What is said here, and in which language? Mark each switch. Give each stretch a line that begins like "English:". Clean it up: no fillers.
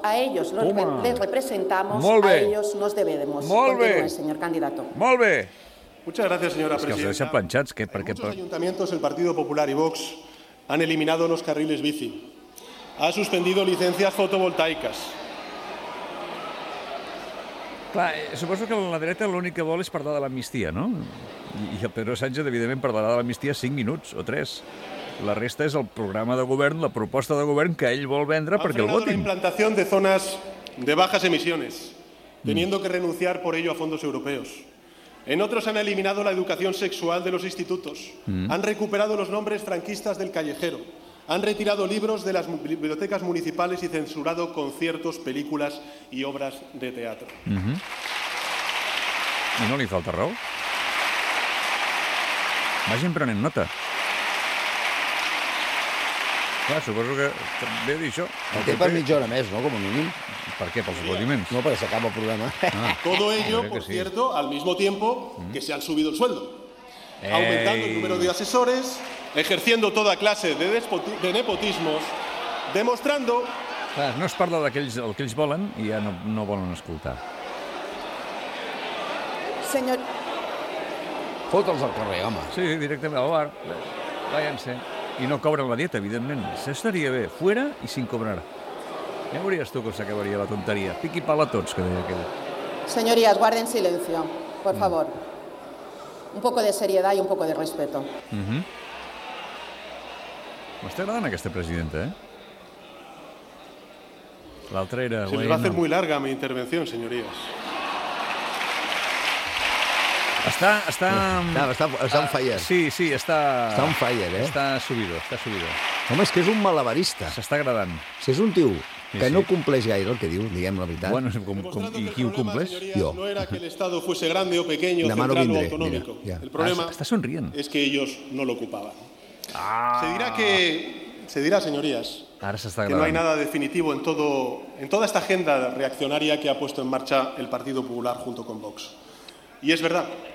Spanish: A ellos los les representamos, a ellos nos debemos.
Catalan: Molt bé.
Spanish: Continúe, señor candidato.
Catalan: Molt bé.
Spanish: Muchas gracias, señora presidenta.
Catalan: Es que os deixa planchats. Que, perquè...
Spanish: En muchos ayuntamientos, el Partido Popular y Vox han eliminado los carriles bici. Ha suspendido licencias fotovoltaicas.
Catalan: Clar, suposo que la dreta l'únic que vol és parlar de l'amnistia, no? I el Pedro Sánchez, evidentment, parlarà de l'amnistia 5 minuts o 3. La resta és el programa de govern, la proposta de govern que ell vol vendre ha perquè el votin.
Spanish: Ha frenado la implantación de zonas de bajas emisiones, teniendo que renunciar por ello a fondos europeos. En otros han eliminado la educación sexual de los institutos. Han recuperado los nombres franquistas del callejero. Han retirado libros de las bibliotecas municipales y censurado conciertos, películas y obras de teatro.
Catalan: I no li falta raó. Vagin prenent nota. Clar, suposo que també ha dit això. El té per mitja hora més, no?, com a mínim. Per què? Pels aplaudiments? No, perquè s'acaba el programa.
Spanish: Todo ello, por cierto, al mismo tiempo que se han subido el sueldo. Aumentando el número de asesores, ejerciendo toda clase de nepotismos, demostrando...
Catalan: Clar, no es parla d'aquells que ells volen i ja no volen escoltar. Senyor... Fot'ls al carrer, home. Sí, directament al bar. Vaian-se. I no cobren la dieta, evidentment. S'estaria bé, fuera i sin cobrar. Ja veuries tu com s'acabaria la tonteria. Pic i pal a tots, que deia aquella.
Spanish: Señorías, guarden silencio, por favor. Un poco de seriedad y un poco de respeto.
Catalan: M'està agradant aquesta presidenta, eh? L'altra era...
Spanish: Se les va fer muy larga mi intervención, señorías.
Catalan: Està un faller. Sí, està... Està un faller, eh? Està subido. Home, és que és un malabarista. S'està agradant. Si és un tio que no compleix gaire el que diu, diguem la veritat... Bueno, i qui ho compleix? Jo.
Spanish: No era que el Estado fuese grande o pequeño, central o autonómico.
Catalan: Ja. El problema... Està somrient.
Spanish: ...es que ellos no lo ocupaban. Ah! Se dirá, señorías...
Catalan: Ara s'està agradant.
Spanish: ...que no hay nada definitivo en toda esta agenda reaccionaria que ha puesto en marcha el Partido Popular junto con Vox. Y es verdad...